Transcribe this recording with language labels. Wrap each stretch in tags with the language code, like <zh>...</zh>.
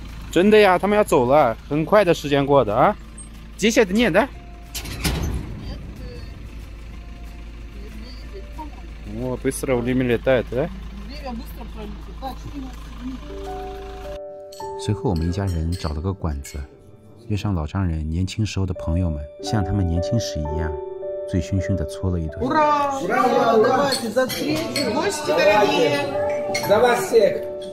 <zh>真的呀，他们要走了，很快的时间过的啊，接下来的念的。</zh> <ru>О, быстро время летает, да?</ru> <zh>随后我们一家人找了个馆子，约上老丈人年轻时候的朋友们，像他们年轻时一样醉醺醺的搓了一顿。</zh> <ru>Ура! Ура! Ура! Давайте, за встречу! Гости дорогие! За вас всех!</ru>